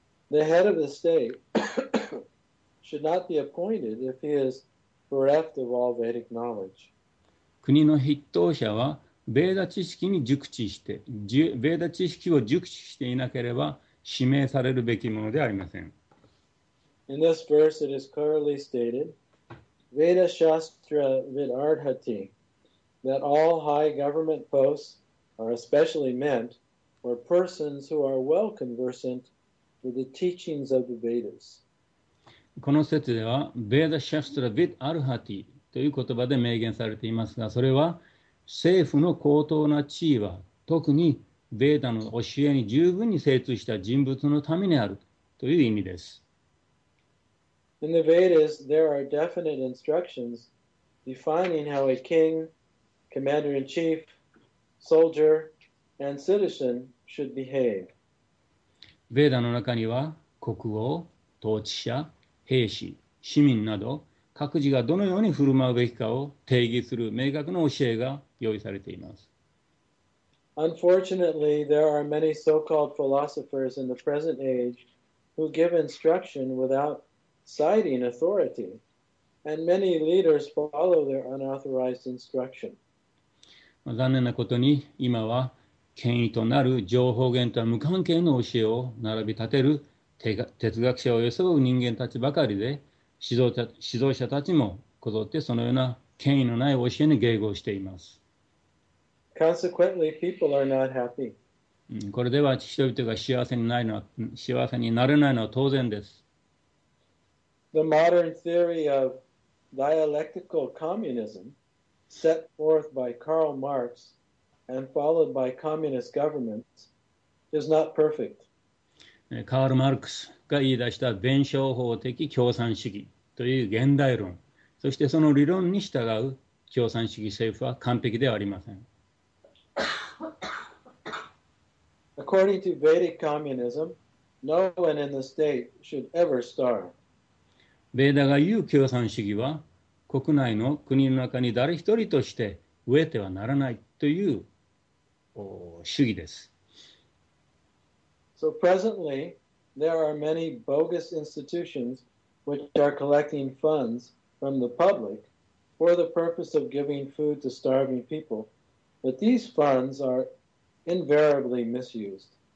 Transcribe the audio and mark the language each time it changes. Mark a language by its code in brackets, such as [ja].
[en] The head of the state should not be appointed if he is bereft of all Vedic knowledge. [ja] 国の筆頭者はベーダ知識を熟知していなければ指名されるべきものではありません。 [en] In this verse, it is clearly stated, Veda Shastra Vidarhati, that all high government posts are especially meant for persons who are well conversant with the teachings of the Vedas. [ja] この説では、Veda Shastra Vidarhati という言葉で明言されていますが、それは政府の高等な地位は、特に Veda の教えに十分に精通した人物のためにあるという意味です。 [en] In the Vedas, there are definite instructions defining how a king, commander-in-chief, soldier, and citizen should behave. [ja] ベーダの中には国王、統治者、兵士、市民など各自がどのように振る舞うべきかを定義する明確な教えが用意されています。 [en] Unfortunately, there are many so-called philosophers in the present age who give instruction without citing authority, and many leaders follow their unauthorized instruction. [ja] 残念なことに、今は権威となる情報源とは無関係の教えを並び立てる哲学者を装う人間たちばかりで、指導者たちもこぞってそのような権威のない教えに迎合しています。 [en] Consequently, people are not happy. [ja] これでは人々が幸せになれないのは当然です。 [en] The modern theory of dialectical communism, set forth by Karl Marx and followed by communist governments, is not perfect. [ja] Karl Marx が言い出した弁証法的共産主義という現代論、そしてその理論に従う共産主義政府は完璧ではありません。 [en] According to Vedic communism, no one in the state should ever starve. [ja] ベーダが言う共産主義は、国内の国の中に誰一人として飢えてはならないという主義です。 [en] So presently, there are many bogus institutions which are collecting funds from the public for the purpose of giving food to starving people, but these funds are invariably misused.